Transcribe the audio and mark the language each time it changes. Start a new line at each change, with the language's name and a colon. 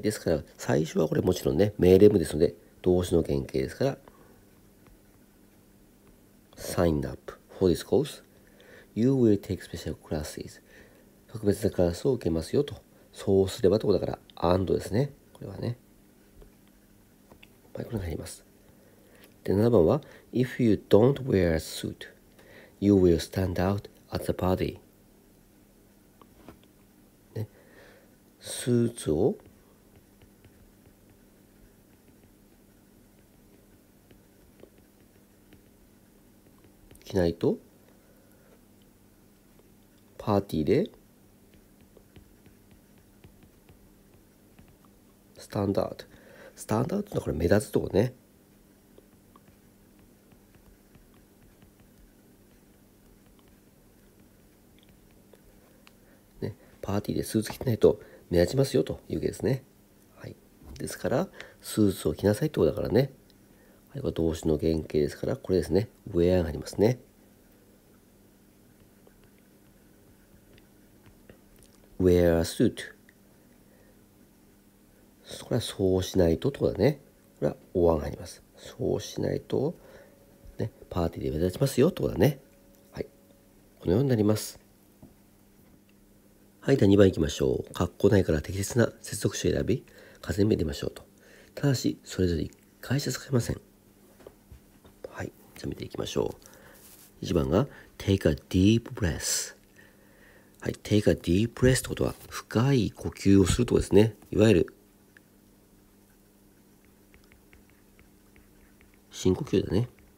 Japanese: ですから、最初はこれもちろんね、命令文ですので、動詞の原型ですから、
English: sign up for this course. You will take special classes.
Japanese: 特別なクラスを受けますよと。そうすればってことだから、and ですね。これはね。はい、これが入ります。
English: で、7番は、If you don't wear a suit, you will stand out at the party.、ね、
Japanese: スーツを着ないと、パーティーで、スタンダード。スタンダードってのはこれ目立つとこね。ね、パーティーでスーツ着てないと目立ちますよというわけですね。はい。ですから、スーツを着なさいってことだからね。はい、これ動詞の原型ですから、これですね。ウェアがありますね。
English: wear a suit.
Japanese: これはそうしないととかだね。これはオアが入ります。そうしないと、ね、パーティーで目立ちますよとかだね。はい。このようになります。はい。では2番いきましょう。括弧内から適切な接続詞を選び、数え目でましょうと。ただし、それぞれ1回しか使えません。はい。じゃ見ていきましょう。
English: 1番が、take a deep breath。
Japanese: はい。
English: take a deep breath
Japanese: ってことは、深い呼吸をするとかですね。いわゆる、深呼吸だね。